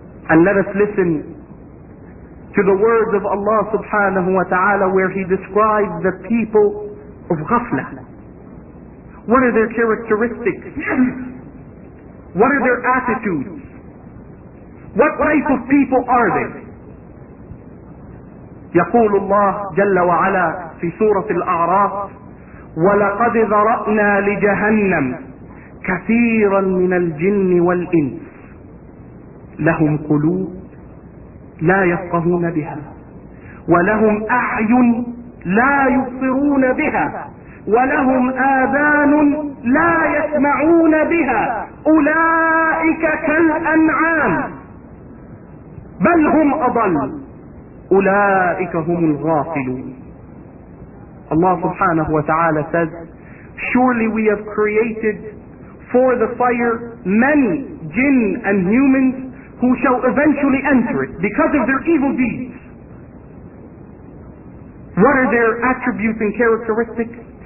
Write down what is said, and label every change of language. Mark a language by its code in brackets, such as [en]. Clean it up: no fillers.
[en] And let us listen to the words of Allah subhanahu wa ta'ala where he describes the people of ghafla. What are their characteristics? What are their attitudes? What type of people are they? [ar] يقول الله جل وعلا في سورة الأعراف وَلَقَدْ ذَرَأْنَا لِجَهَنَّمْ كَثِيرًا مِنَ الْجِنِّ وَالْإِنْسِ لَهُمْ قُلُوبٌ لا يفقهون بها ولهم أعين لا يبصرون بها ولهم آذان لا يسمعون بها أولئك كالأنعام بل هم أضل أولئك هم الغافلون. [en] الله سبحانه وتعالى says, Surely we have created for the fire many jinn and humans who shall eventually enter it because of their evil deeds. What are their attributes and characteristics?